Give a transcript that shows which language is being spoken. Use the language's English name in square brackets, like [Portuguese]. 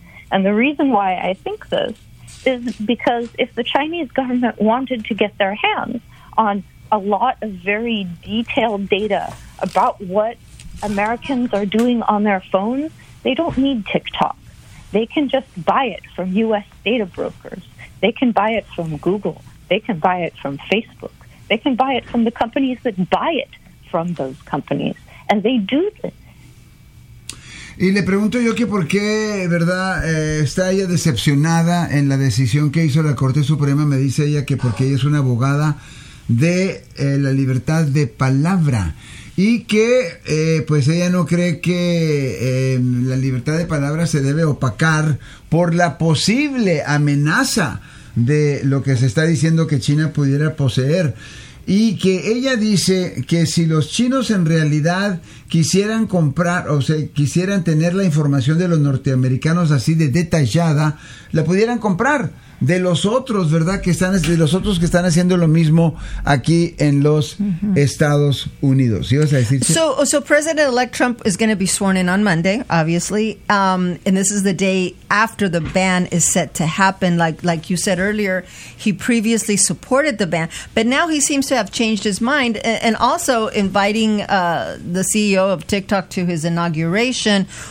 [English] And the reason why I think this is because if the Chinese government wanted to get their hands on a lot of very detailed data about what Americans are doing on their phones, they don't need TikTok. They can just buy it from U.S. data brokers. They can buy it from Google. They can buy it from Facebook. They can buy it from the companies that buy it from those companies. And they do this. [Spanish] Y le pregunto yo que por qué, ¿verdad?, está ella decepcionada en la decisión que hizo la Corte Suprema. Me dice ella que porque ella es una abogada de la libertad de palabra. y que pues ella no cree que la libertad de palabra se debe opacar por la posible amenaza de lo que se está diciendo que China pudiera poseer. Y que ella dice que si los chinos en realidad quisieran comprar, o sea, quisieran tener la información de los norteamericanos así de detallada, la pudieran comprar de los otros, ¿verdad? Que están, de los otros que están haciendo lo mismo aquí en los Estados Unidos. ¿Ibas a decir? [English] So President-elect Trump is going to be sworn in on Monday, obviously. And this is the day after the ban is set to happen. Like you said earlier, he previously supported the ban. But now he seems to have changed his mind. And also inviting the CEO of TikTok to his inauguration.